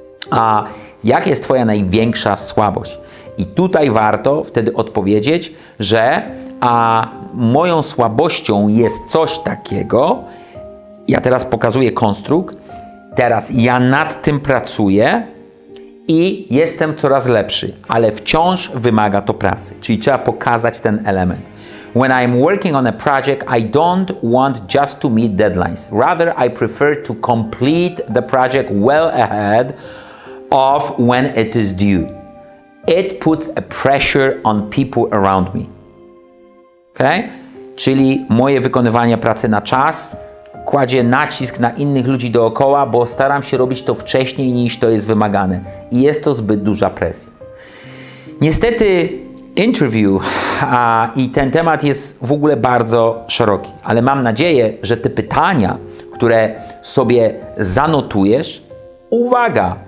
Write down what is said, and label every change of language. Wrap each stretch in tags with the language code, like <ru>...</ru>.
<pl>A jak jest Twoja największa słabość? I tutaj warto wtedy odpowiedzieć, że moją słabością jest coś takiego. Ja teraz pokazuję konstrukt. Teraz ja nad tym pracuję i jestem coraz lepszy, ale wciąż wymaga to pracy. Czyli trzeba pokazać ten element.</pl> <en>When I'm working on a project, I don't want just to meet deadlines. Rather, I prefer to complete the project well ahead of when it is due. It puts a pressure on people around me. Okay?</en> <pl>Czyli moje wykonywanie pracy na czas kładzie nacisk na innych ludzi dookoła, bo staram się robić to wcześniej niż to jest wymagane. I jest to zbyt duża presja. Niestety interview i ten temat jest w ogóle bardzo szeroki, ale mam nadzieję, że te pytania, które sobie zanotujesz, uwaga!</pl>